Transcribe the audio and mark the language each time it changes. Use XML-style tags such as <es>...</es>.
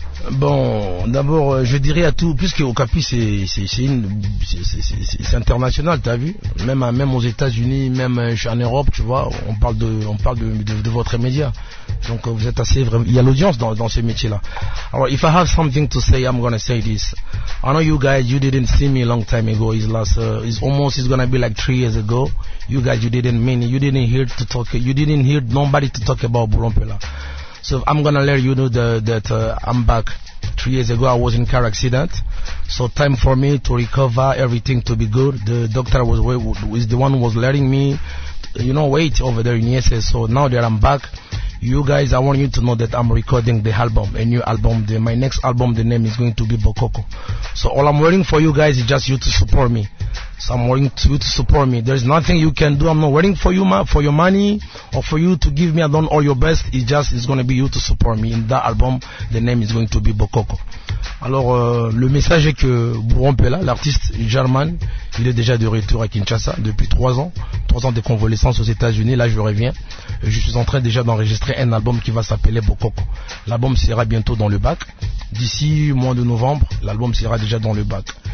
<fr>Bon, d'abord, je dirais à tout, puisque au Capi, c'est international, t'as vu? Même aux États-Unis, même en Europe, tu vois, on parle de votre média. Donc, vous êtes assez vrai. Il y a l'audience dans ce métier-là.</fr> <en>Alors, if I have something to say, I'm gonna say this. I know you guys, you didn't see me a long time ago. It's gonna be like 3 years ago. You guys, you didn't hear nobody to talk about Bourron Pella. So I'm gonna let you know that I'm back. 3 years ago I was in car accident. So time for me to recover, everything to be good. The doctor was the one who was letting me, you know, wait over there in ESS. So now that I'm back, you guys, I want you to know that I'm recording the album, a new album. My next album, the name is going to be Bokoko. So all I'm waiting for you guys is just you to support me. So I'm waiting for you to support me. There's nothing you can do. I'm not waiting for you, for your money or for you to give me. I've done all your best. It's going to be you to support me. In that album, the name is going to be Bokoko.</en> <fr>Alors, le message est que Bourron Pella, l'artiste German, il est déjà de retour à Kinshasa depuis 3 ans. 3 ans de convalescence aux États-Unis. Là, je reviens. Je suis en train déjà d'enregistrer un album qui va s'appeler Bokoko. L'album sera bientôt dans le bac. D'ici mois de novembre, l'album sera déjà dans le bac.</fr>